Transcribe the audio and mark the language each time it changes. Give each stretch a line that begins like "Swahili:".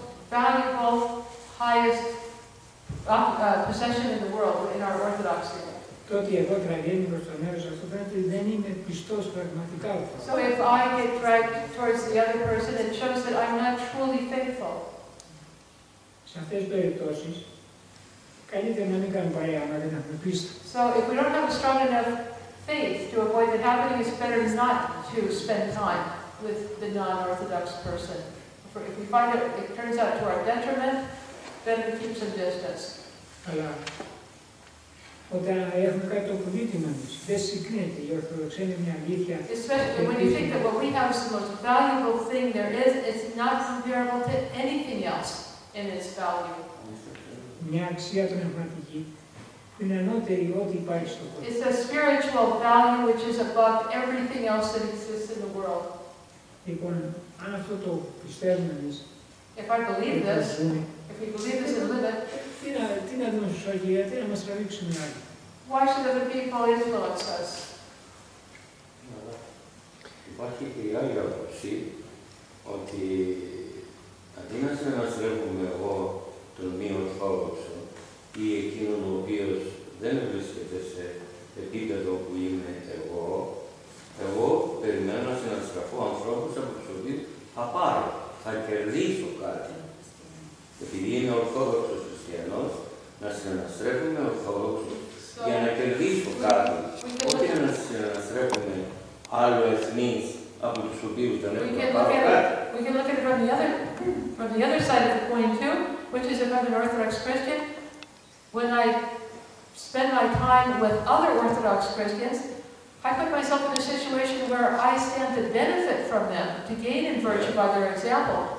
English: Valuable, highest possession in the world in our Orthodoxy.
Greek: Το ότι εγώ τραβιέμαι προς το μέρος αυτό πρέπει δεν είμαι πιστός πραγματικά.
English: So if I get dragged towards the other person, it shows that I'm not truly faithful.
Greek: Σε αυτές τις περιπτώσεις, καλύτερα να μην κάνω παρέα, να δεν έχουμε πίστη.
English: So if we don't have a strong enough faith to avoid it happening, it's better not to spend time with the non-Orthodox person. If we find out it turns out to our detriment, then we keep some distance.
Greek: Αλλά όταν έχουμε κάτι το πολύτιμο μας, δεν συγκρίνεται, η Ορθοδοξία είναι μια αλήθεια.
English: Especially when you think that what we have is the most valuable thing there is, it's not comparable to anything else in its value.
Greek: Μια αξία πνευματική που είναι ανώτερη ό,τι υπάρχει στον κόσμο.
English: It's a spiritual value which is above everything else that exists in the world.
Greek: Λοιπόν, αν αυτό το πιστεύουμε εμείς,
English: if I believe this, if we believe this and live it,
Greek: τι να δούμε στους άλλους, γιατί να μας τραβήξουν οι άλλοι.
English: Why should other people influence us?
Greek: Υπάρχει και η άλλη άποψη, ότι αντί να συναστρέφουμε εγώ τον μη ορθόδοξο, ή εκείνον ο οποίος δεν βρίσκεται σε επίπεδο που είμαι εγώ, εγώ περιμένω να συναντηθώ ανθρώπους από τους οποίους θα πάρω, θα κερδίσω κάτι. Επειδή είμαι Ορθόδοξος Χριστιανός, να συναντηθούμε Ορθόδοξους για να κερδίσω κάτι. Όχι να συναντηθούμε άλλο εθνείς από τους οποίους δεν έχουν πάρει κάτι.
English: We can look at it from the other side of the coin too, which is if I'm an Orthodox Christian, when I spend my time with other Orthodox Christians, I put myself in a situation where I stand to benefit from them, to gain in virtue by their example.